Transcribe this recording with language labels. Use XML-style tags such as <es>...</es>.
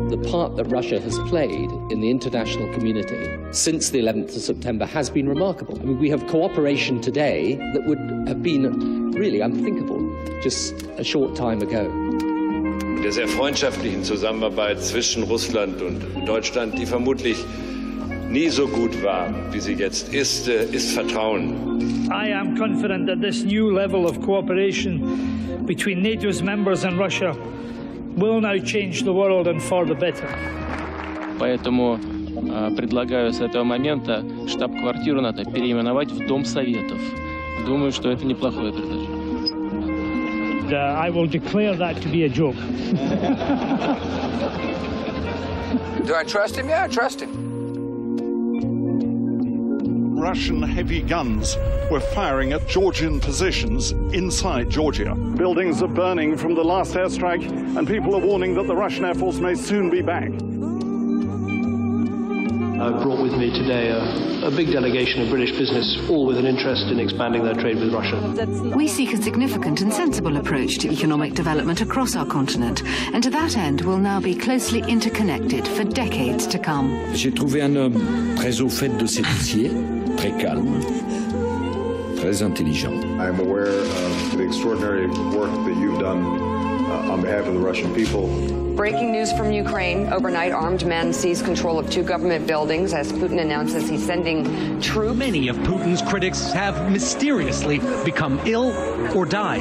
<en>Part that Russia has played in the international community since the 11th of September has been remarkable. I mean, we have cooperation today that would have been really unthinkable just a short time ago.</en> <de>Der sehr freundschaftlichen Zusammenarbeit zwischen Russland und Deutschland, die vermutlich nie so gut war, wie sie jetzt ist, ist Vertrauen.</de> <en>I am confident that this new level of cooperation between NATO's members and Russia will now change the world and for the better.</en> <ru>Поэтому Предлагаю с этого момента штаб-квартиру НАТО переименовать в Дом Советов. Думаю, что это неплохое предложение.</ru> <en>I will declare that to be a joke. Do I trust him? Yeah, I trust him. Russian heavy guns were firing at Georgian positions inside Georgia. Buildings are burning from the last airstrike, and people are warning that the Russian Air Force may soon be back. I brought with me today a big delegation of British business, all with an interest in expanding their trade with Russia. We seek a significant and sensible approach to economic development across our continent, and to that end we'll now be closely interconnected for decades to come.</en> <fr>J'ai trouvé un homme très au fait de ses dossiers, très calme, très intelligent.</fr> <en>I am aware of the extraordinary work that you've done on behalf of the Russian people. Breaking news from Ukraine. Overnight, armed men seize control of two government buildings as Putin announces he's sending troops. Many of Putin's critics have mysteriously become ill or died.</en>